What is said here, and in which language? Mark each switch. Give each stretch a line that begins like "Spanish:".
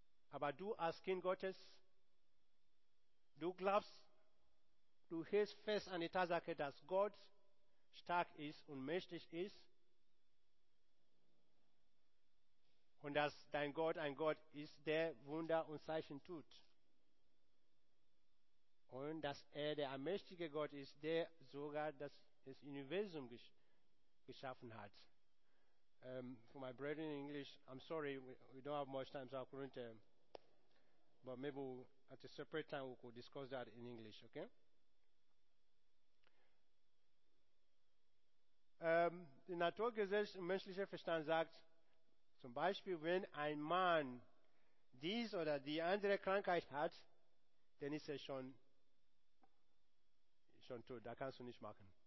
German: Aber du als Kind Gottes, du glaubst, du hältst fest an die Tatsache, dass Gott stark ist und mächtig ist und dass dein Gott ein Gott ist, der Wunder und Zeichen tut. Und dass er der allmächtige Gott ist, der sogar das Universum geschaffen hat.
English: For my brethren in English, I'm sorry, we don't have much time, so I couldn't. But maybe at a separate time we could discuss that in English, okay?
German: Die Naturgesetz und menschlicher Verstand sagt, zum Beispiel, wenn ein Mann dies oder die andere Krankheit hat, dann ist er schon tot, da kannst du nicht machen.